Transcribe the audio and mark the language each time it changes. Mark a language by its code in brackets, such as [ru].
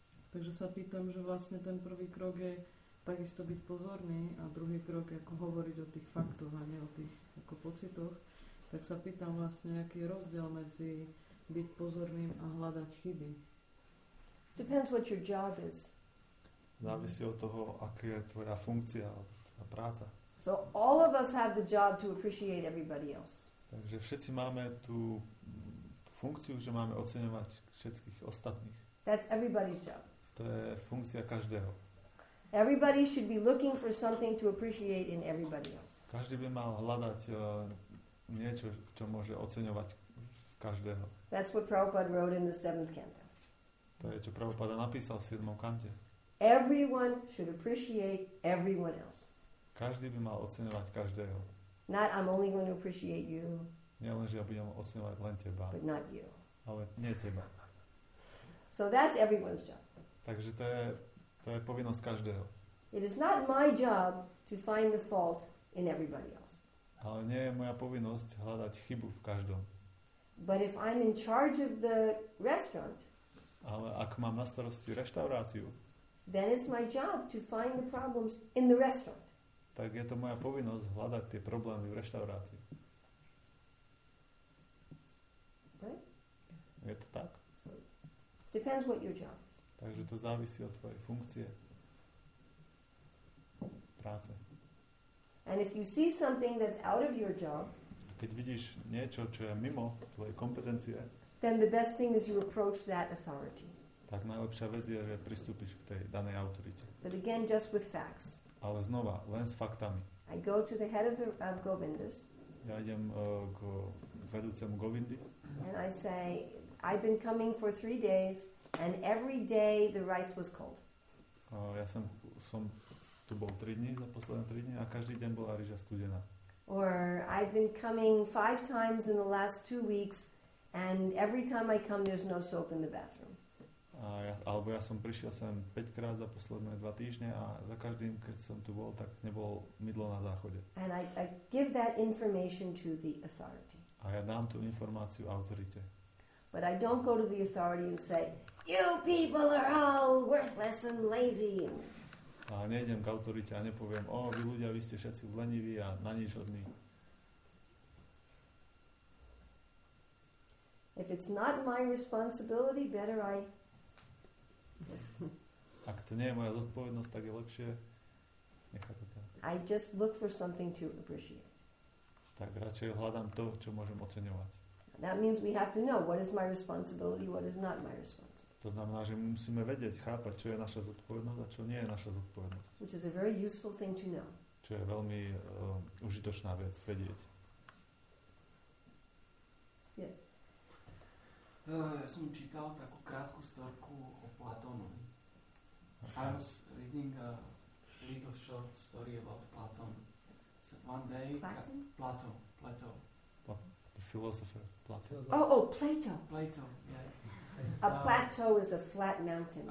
[sk] Takže sa pýtam, že vlastne ten prvý krok je takisto byť pozorný a druhý krok je ako hovoriť o tých faktoch a nie o tých ako pocitoch. Tak sa pýtam vlastne, aký je rozdiel medzi byť pozorným a hľadať chyby. [en] Depends what your job is. [sk] Závisí od toho, aká je tvoja funkcia a práca. [en] So all of us have the job to appreciate everybody else. [sk] Takže všetci máme tú funkciu, že máme oceňovať všetkých ostatných. [en] That's everybody's job. [sk] To je funkcia každého. [en] Everybody should be looking for something to appreciate in everybody else. [sk] Každý by mal hľadať niečo, čo môže oceňovať každého. [en] That's what Prabhupada wrote in the seventh canto. [sk] To je, čo Prabhupada napísal v 7. kante. [en] Everyone should appreciate everyone else. [sk] Každý by mal oceňovať každého. [en] Not I'm only going to appreciate you. [sk] Nie len, že ja budem oceňovať len teba. [en] But not you. [sk] Ale nie teba. [en] So that's everyone's job. [sk] Takže to je povinnosť každého. [en] It is not my job to find the fault in everybody else. [sk] Ale nie je moja povinnosť hľadať chybu v každom. [en] But if I'm in charge of the restaurant. [sk] Ale ak mám na starosti reštauráciu. [en] Then it's my job to find the problems in the restaurant. [sk] Tak je to moja povinnosť hľadať tie problémy v reštaurácii. [en] Right? [sk] Je to tak? [en] Depends what your job is. [sk] Takže to závisí od tvojej funkcie. Práce. [en] And if you see something that's out of your job, [sk] keď vidíš niečo, čo je mimo tvojej kompetencie, [en] then the best thing is you approach that authority. [sk] Tak najlepšia vec je, že pristúpiš k tej danej autorite. [en] But again, just with facts. [sk] Ale znova, len s faktami. [en] I go to the head of the of Govindas. [sk] Ja idem k vedúcemu Govindy. [en] And I say, I've been coming for 3 days and every day the rice was cold. [sk] Ja som tu bol 3 dní, za posledné 3 dní a každý deň bola ryža studená. [en] Or I've been coming 5 times in the last 2 weeks and every time I come there's no soap in the bathroom. [sk] Alebo ja som prišiel sem 5 krát za posledné 2 týždne a za každým keď som tu bol, tak nebol mydlo na záchode. [en] And I give that information to the authority. [sk] A ja dám tú informáciu autorite. [en] But I don't go to the authority and say, you people are all worthless and lazy. [sk] A nejdem k autorite a nepoviem, vy ľudia, vy ste všetci leniví a na nič hodní. [en] If it's not my responsibility, better I. [sk] Ak to nie je moja zodpovednosť, tak je lepšie nechať to tak. [en] I just look for something to appreciate. [sk] Tak radšej hľadám to, čo môžem oceňovať. [en] That means we have to know what is my responsibility, what is not my responsibility. [sk] To znamená, že musíme vedieť, chápať, čo je naša zodpovednosť a čo nie je naša zodpovednosť. [en] Which is a very useful thing to know. [sk] Čo je veľmi užitočná vec vedieť. [en] Yes. [sk] Ja som čítal takú krátku storku o Platónovi. [en] I was reading a little short story about Platón. One day Platón, the philosopher Plato. Oh, Plato. Plato, yeah. A plateau is a flat mountain.